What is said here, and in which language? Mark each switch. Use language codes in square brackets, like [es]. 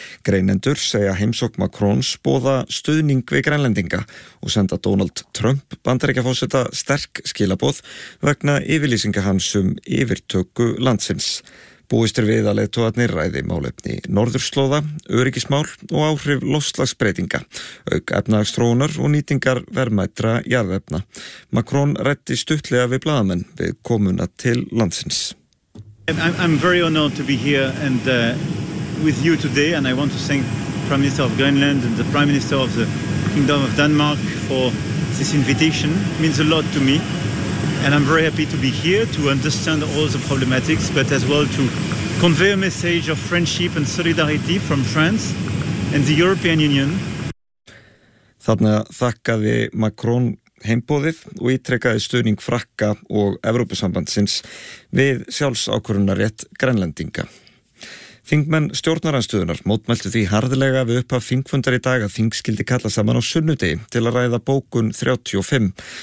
[is] Greinendur segja heimsókn Macrons boða stuðning við grænlendinga og senda Donald Trump, bandaríkjaforseta, sterk skilaboð vegna yfirlýsinga hans yfirtöku landsins. Búist við að leiðtogarnir ræði málefni norðurslóða, öryggismál og áhrif loftslagsbreytinga, auk efnahagsþróunar og nýtingar verðmætra jarðefna. Macron ræddi stuttlega við blaðamenn við komuna til landsins. [en] I'm very honored to be here and with you today and I want to thank Prime Minister of Greenland and the Prime Minister of the Kingdom of Denmark for this invitation. It means a lot to me. And I'm very happy to be here to understand all the problematics, but as well to convey a message of friendship and solidarity from France and the European Union. [is] Þarna þakkaði Macron heimboðið og ítrekkaði stuðning Frakka og Evrópusambandsins við sjálfsákvörunarrétt grænlendinga. Þingmenn stjórnarandstöðunnar mótmæltu því harðlega við upphaf þingfundar í dag að þing skildi kalla saman á sunnudegi til að ræða bókun 35.